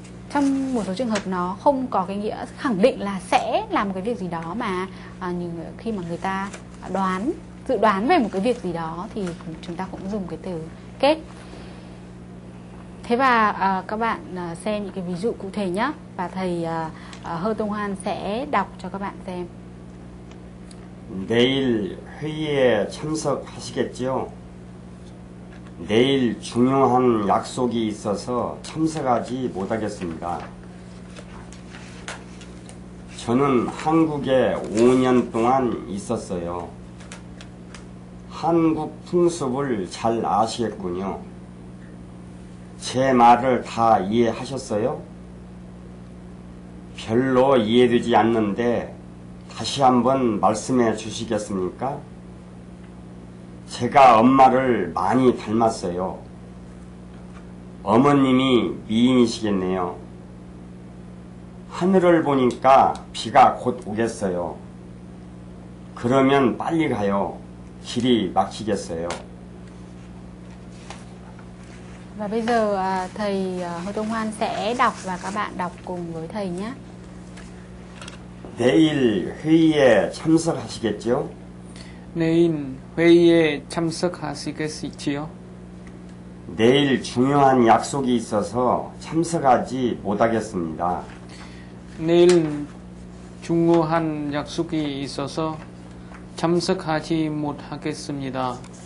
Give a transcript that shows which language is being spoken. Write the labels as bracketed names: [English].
[Vietnamese] Trong một số trường hợp nó không có cái nghĩa khẳng định là sẽ làm một cái việc gì đó mà khi mà người ta đoán, dự đoán về một cái việc gì đó thì chúng ta cũng dùng cái từ kết. Thế và các bạn xem những cái ví dụ cụ thể nhé. Và thầy Hơ Tông Hoan sẽ đọc cho các bạn xem. [Korean] 내일 회의에 참석하시겠죠? 내일 중요한 약속이 있어서 참석하지 못하겠습니다. 저는 한국에 5년 동안 있었어요. 한국 풍습을 잘 아시겠군요. 제 말을 다 이해하셨어요? 별로 이해되지 않는데 다시 한번 말씀해 주시겠습니까? 제가 엄마를 많이 닮았어요. 어머님이 미인이시겠네요. 하늘을 보니까 비가 곧 오겠어요. 그러면 빨리 가요. 길이 막히겠어요. [Vietnamese] Và bây giờ thầy Hồ Tông Hoan sẽ đọc và các bạn đọc cùng với thầy nhé. [Korean] 내일 회의에 참석하시겠죠? 내일 회의에 참석하시겠지요? 내일 중요한 약속이 있어서 참석하지 못하겠습니다. 내일 중요한 약속이 있어서 참석하지 못하겠습니다.